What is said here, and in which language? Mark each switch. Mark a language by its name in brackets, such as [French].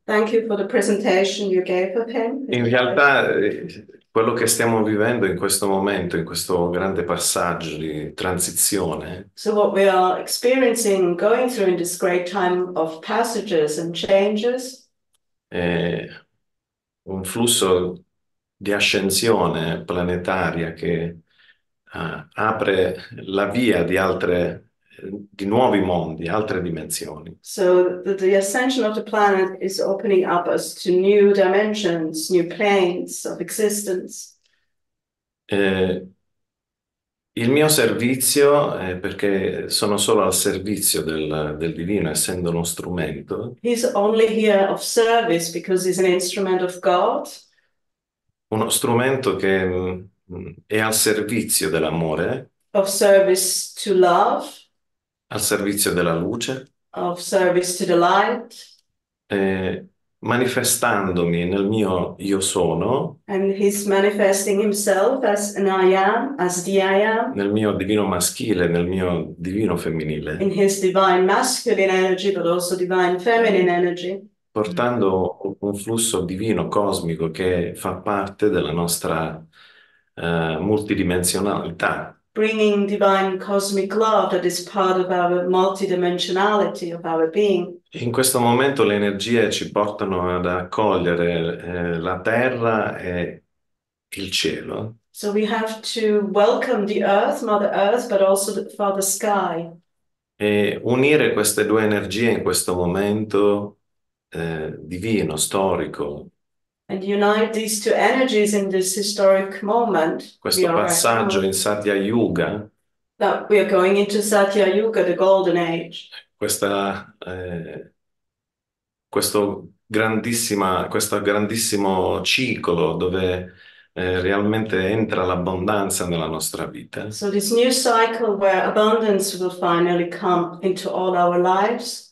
[English] Thank you for the presentation you gave of him. [Italian] In realtà quello che stiamo vivendo in questo momento, in questo grande passaggio di transizione. [English] So what we are experiencing going through in this great time of passages and changes. [Italian] È un flusso di ascensione planetaria che apre la via di altre di nuovi mondi, altre dimensioni. [English] So the ascension of the planet is opening up us to new dimensions, new planes of existence. [Italian] Il mio servizio, perché sono solo al servizio del divino, essendo uno strumento. [English] He's only here of service because he's an instrument of God. [Italian] Uno strumento che è al servizio dell'amore. [English] Of service to love. [Italian] Al servizio della luce. [English] Of service to the light. [Italian] Manifestandomi nel mio io sono. [English] And he's manifesting himself as an I am, as the I am. [Italian] Nel mio divino maschile, nel mio divino femminile. [English] In his divine masculine energy, but also divine feminine energy. [Italian] Portando un flusso divino cosmico che fa parte della nostra multidimensionalità. [English] Bringing divine cosmic love that is part of our multidimensionality of our being. [Italian] In questo momento le energie ci portano ad accogliere la terra e il cielo. [English] So we have to welcome the earth, Mother Earth, but also the Father Sky. [Italian] E unire queste due energie in questo momento divino, storico. [English] And unite these two energies in this historic moment. [Italian] Questo passaggio in Satya Yuga. [English] That we are going into Satya Yuga, the golden age. [Italian] Questo grandissimo ciclo dove realmente entra l'abbondanza nella nostra vita. [English] So this new cycle where abundance will finally come into all our lives.